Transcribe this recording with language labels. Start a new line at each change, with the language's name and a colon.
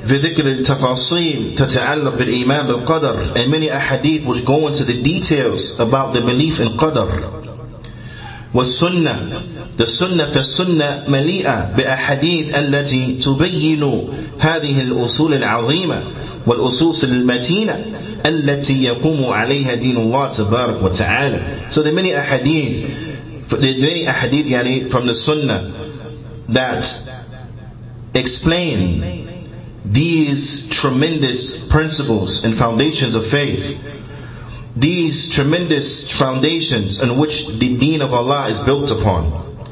Arabic: في ذكر التفاصيل تتعلق بالإيمان بالقدر.
English: And many ahadith which go into the details about the belief in Qadr.
Arabic: والسنة,
English: the sunnah,
Arabic: فالسنة مليئة بأحاديث التي تبين هذه الأصول العظيمة والأصول المتينة التي يقوم عليها دين الله تبارك وتعالى.
English: So there are many ahadith, يعني from the sunnah that explain these tremendous principles and foundations of faith. These tremendous foundations on which the deen of Allah is built upon.